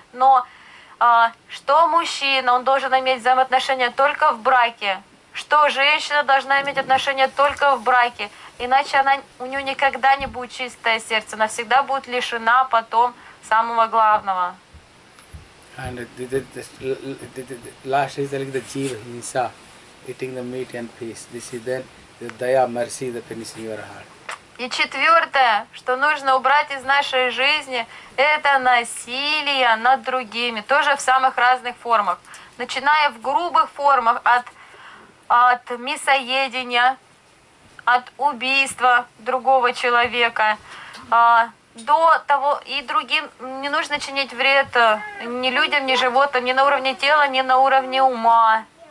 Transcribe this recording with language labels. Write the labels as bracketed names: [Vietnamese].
[Russian] Но что мужчина, он должен иметь взаимоотношения только в браке, что женщина должна иметь отношения только в браке, иначе она, у нее никогда не будет чистое сердце, она всегда будет лишена потом самого главного. [English] And the last is like the jiva hinsa, eating the meat and fish. This is then the daya mercy that is in your heart. [Russian] И четвертое, что нужно убрать из нашей жизни, это насилие над другими, тоже в самых разных формах. Начиная в грубых формах от мясоедения, от убийства другого человека, до того, и другим не нужно чинить вред ни людям, ни животным, ни на уровне тела, ни на уровне ума.